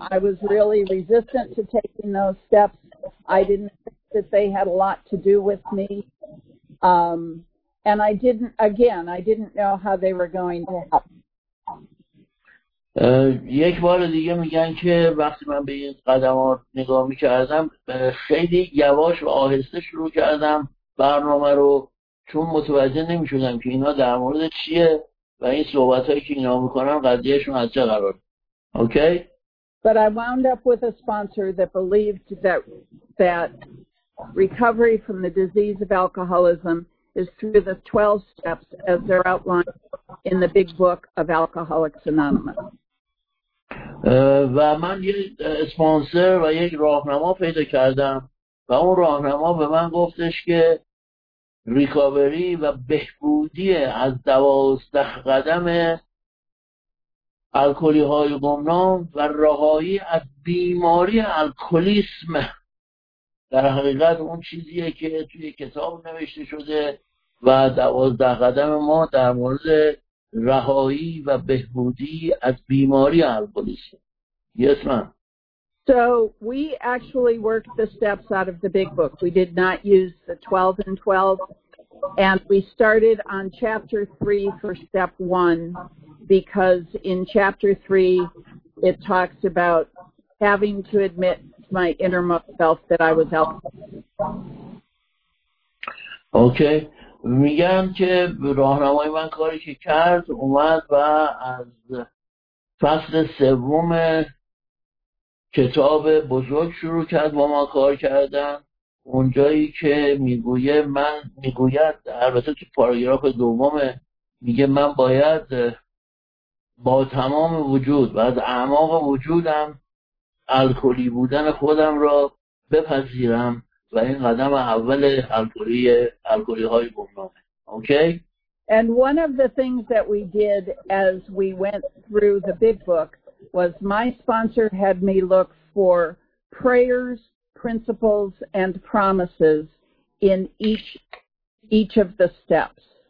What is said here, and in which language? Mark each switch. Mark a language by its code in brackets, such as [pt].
[en] I was really resistant to taking those steps. I didn't think that they had a lot to do with me. And I didn't know how they were going to help. [fa] یک بار دیگه میگن که وقتی من به این قدمات نگاه میکردم خیلی یواش و آهسته شروع کردم برنامه رو، چون متوجه نمیشدم که اینا در مورد چیه و این صحبت هایی که اینا میکنن قضیهشون از چه قراره. [en] Okay? But I wound up with a sponsor that believed that recovery from the disease of alcoholism is through the 12 steps as they're outlined in the big book of Alcoholics Anonymous. [fa] و من یک اسپانسر و یک راهنما پیدا کردم و اون راهنما به من گفتش که ریکاوری و بهبودی از 12 قدم الکلی های گمنام و رهایی از بیماری الکلیسم در حقیقت اون چیزیه که توی کتاب نوشته شده و 12 قدم ما در مورد رهایی و بهبودی از بیماری الکلیسم. [en] Yes, ma'am. So we actually worked the steps out of the big book. We did not use the 12 and 12. And we started on chapter 3 for step 1 because in chapter 3 it talks about having to admit to my innermost self that I was alcoholic. Okay. [fa] میگم که راهنمای من کاری که کرد اومد و از فصل سوم کتاب بزرگ شروع کرد با ما کار کردن، اونجایی که میگوید البته تو پاراگراف دومه، میگه من باید با تمام وجود و از اعماق وجودم الکلی بودن خودم را بپذیرم و این قدم اول الکلی‌های گمنامه. [en] Okay. And one of the things that we did as we went through the big book was my sponsor had me look for prayers, principles, and promises in each of the steps.